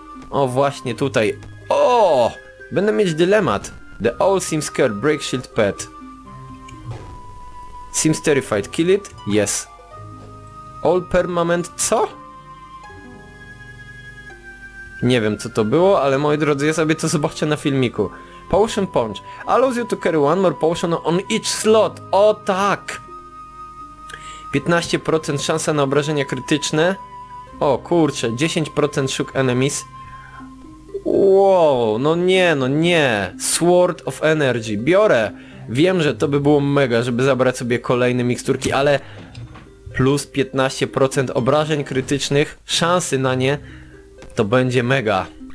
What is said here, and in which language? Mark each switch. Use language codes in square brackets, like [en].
[pl] O właśnie tutaj, o! Będę mieć dylemat. [en] The Owl Seems Scared, Break Shield Pet. Seems Terrified, Kill It? Yes. All Permanent, co? [pl] Nie wiem co to było, ale moi drodzy, ja sobie to zobaczę na filmiku. [en] Potion Punch. Allows you to carry one more potion on each slot. [pl] O tak! 15% szansa na obrażenia krytyczne. O kurczę, 10% [en] shook enemies. [pl] Wow, no nie. Sword of Energy, biorę. Wiem, że to by było mega, żeby zabrać sobie kolejne miksturki, ale plus 15% obrażeń krytycznych, szansy na nie, to będzie mega.